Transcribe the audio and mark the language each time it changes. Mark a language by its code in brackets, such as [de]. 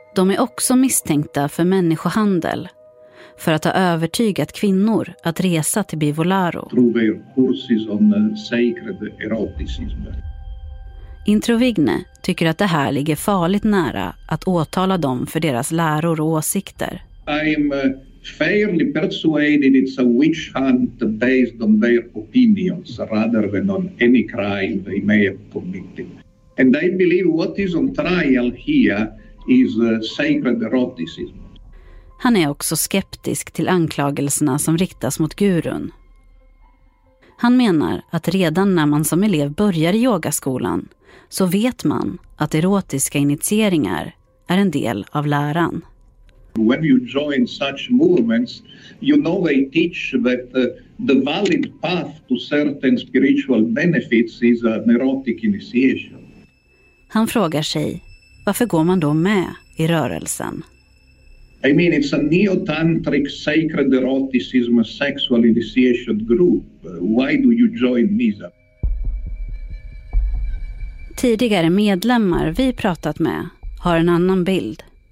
[sv] De är också misstänkta för människohandel, för att ha övertygat kvinnor att resa till Bivolaro. [en] Through their courses on sacred eroticism. [sv] Introvigne tycker att det här ligger farligt nära att åtala dem för deras läror och åsikter. [en] Fairly persuaded it's a witch hunt based on their opinions rather than on any crime they may have committed. And I believe what is on trial here is sacred eroticism. [sv] Han är också skeptisk till anklagelserna som riktas mot gurun. Han menar att redan när man som elev börjar i yogaskolan så vet man att erotiska initieringar är en del av läran. [en] When you join such movements, you know they teach that the valid path to certain spiritual benefits is an erotic initiation. [sv] Han frågar sig, varför går man då med i rörelsen? [en] I mean, it's a neo-tantric sacred eroticism sexual initiation group. Why do you join MISA? [sv] Tidigare medlemmar vi pratat med har en annan bild.